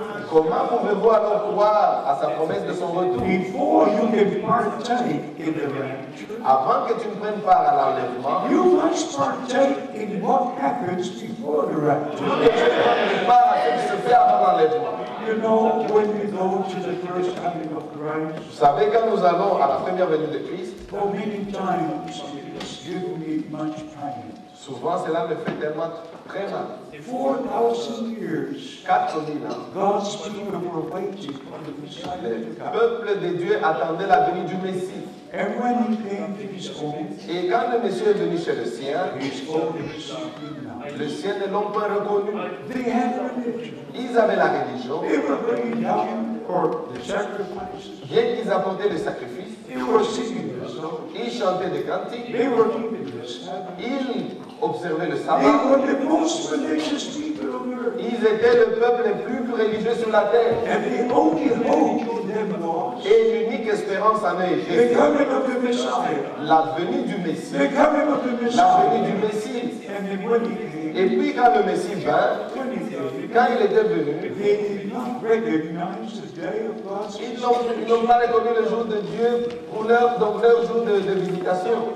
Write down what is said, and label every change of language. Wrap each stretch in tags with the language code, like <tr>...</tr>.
<fr>Comment pouvez-vous alors croire à sa promesse de son retour?</fr> <en>Before you can partake in the rapture,</en> <fr>avant que tu ne prennes part à l'enlèvement,</fr> <en>you must partake in what happens before the rapture.</en> <fr>Tu ne peux pas prendre part à ce qui se fait avant l'enlèvement.</fr> <en>You know when we go to the first coming of Christ.</en> <fr>Vous savez quand nous allons à la première venue de Christ?</fr> <en>For many times, give me much pain.</en> <fr>Souvent cela me fait tellement très mal.</fr> <en>4,000 years.</en> <fr>4,000 ans.</fr> <en>God's people were waiting for the Messiah.</en> <fr>Le peuple de Dieu attendait la venue du Messie.</fr> <en>And when he came to his own.</en> <fr>Et quand le Messie est venu chez le sien,</fr> <en>his own people.</en> <fr>Le sien ne l'ont pas reconnu.</fr> <en>They had religion.</en> <fr>Ils avaient la religion.</fr> <en>They were bringing down for the sacrifices.</en> <fr>Bien qu'ils apportaient le sacrifice.</fr> <en>They were singing.</en> <fr>Ils chantaient des cantiques.</fr> <en>They were keeping the Sabbath.</en> <fr>Ils observaient le sabbat.</fr> <en>They were the most religious people on earth.</en> <fr>Ils étaient le peuple le plus religieux sur la terre.</fr> <en>And the only hope in them was.</en> <fr>Et l'unique espérance en eux était.</fr> <en>The coming of the Messiah.</en> <fr>La venue du Messie.</fr> <en>The coming of the Messiah.</en> <fr>La venue du Messie.</fr> <en>And the money.</en> <fr>Et puis quand le Messie vint, quand il était venu, ils n'ont pas reconnu le jour de Dieu pour leur, donc leur jour de visitation.</fr>